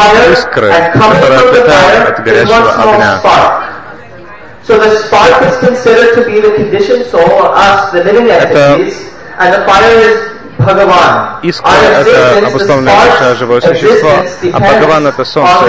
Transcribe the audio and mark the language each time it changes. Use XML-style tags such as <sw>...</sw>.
<ru>искры, которая питает от горящего огня.</ru> <en>So the spark is considered to be the conditioned soul, or us, the living entities, and the fire is Bhagavan.</en> <ru>Искра — это обусловленное высшее живое существо, а Бхагаван — это солнце.</ru>